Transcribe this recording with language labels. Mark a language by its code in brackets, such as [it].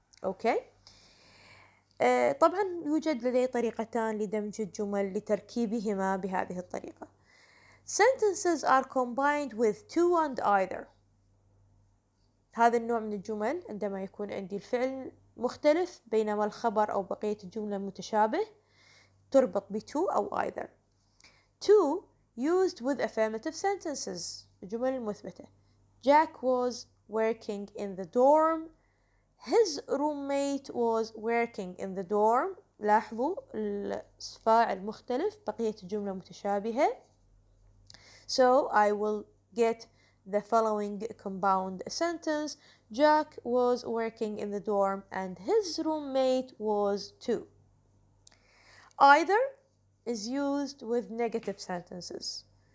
[ar] أوكي؟ طبعا يوجد لدي طريقتان لدمج الجمل لتركيبهما بهذه الطريقة. [en] Sentences are combined with to and either. [ar] هذا النوع من الجمل عندما يكون عندي الفعل مختلف بينما الخبر أو بقية الجملة متشابه تربط بتو أو either. [en] To used with affirmative sentences. [ar] الجمل المثبتة. [en] Jack was working in the dorm. His roommate was working in the dorm. [ar] لاحظوا الفاعل مختلف بقية الجملة متشابهة. [en] So I will get the following compound sentence. Jack was working in the dorm and his roommate was too. Either is used with negative sentences.